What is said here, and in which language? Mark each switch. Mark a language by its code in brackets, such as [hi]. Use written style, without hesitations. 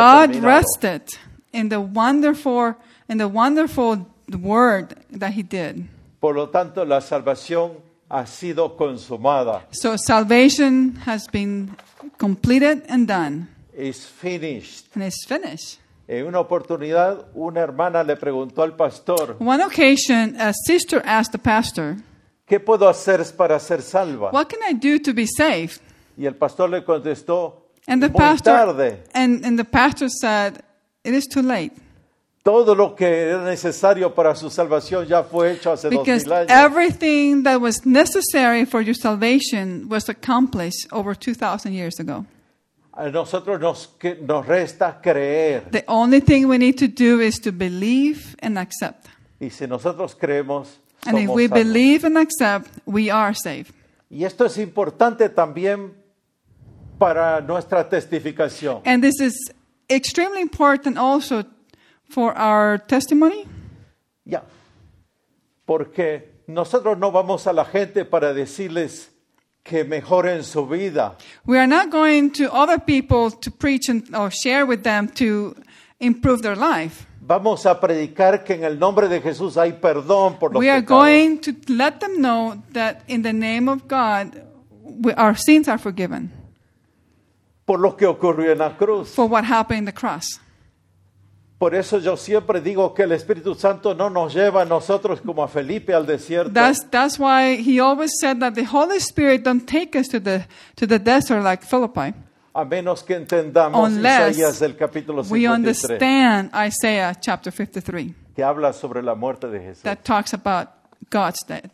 [en] God [es] terminado. [en] God rested in the wonderful word that he did. [es] Por lo tanto, la salvación ha sido consumada. [en] So salvation has been completed and done. It's finished. And it's finished. [es] En una oportunidad, una hermana le preguntó al pastor. [en] One occasion, a sister asked the pastor. [es] ¿Qué puedo hacer para ser salva? [en] What can I do to be saved? [es] Y el pastor le contestó, [en] and the [es] muy [en] pastor, [es] tarde. [en] And the pastor said, it is too late. [es] Todo lo que era necesario para su salvación ya fue hecho hace 2000 años. [en] Because everything that was necessary for your salvation was accomplished over 2000 years ago. [es] A nosotros nos resta creer. [en] The only thing we need to do is to believe and accept. [es] Y si nosotros creemos, somos [en] and if we [es] salvos. [en] Believe and accept, we are saved. [es] Y esto es importante también para nuestra testificación. [en] And this is extremely important also for our testimony? Yeah. [es] Porque nosotros no vamos a la gente para decirles que mejoren su vida. [en] We are not going to other people to preach and or share with them to improve their life. [es] Vamos a predicar que en el nombre de Jesús hay perdón por los [en] We are going to let them know that in the name of God our sins are forgiven. [es] por lo que ocurrió en la cruz. [en] For what happened in the cross. [es] Por eso yo siempre digo que el Espíritu Santo no nos lleva a nosotros como a Felipe al desierto. [en] That's why he always said that the Holy Spirit don't take us to the desert like Philippi. [es] A menos que entendamos Isaías del capítulo 53. [en] We understand Isaiah chapter 53. [es] Que habla sobre la muerte de Jesús. [en] That talks about God's death.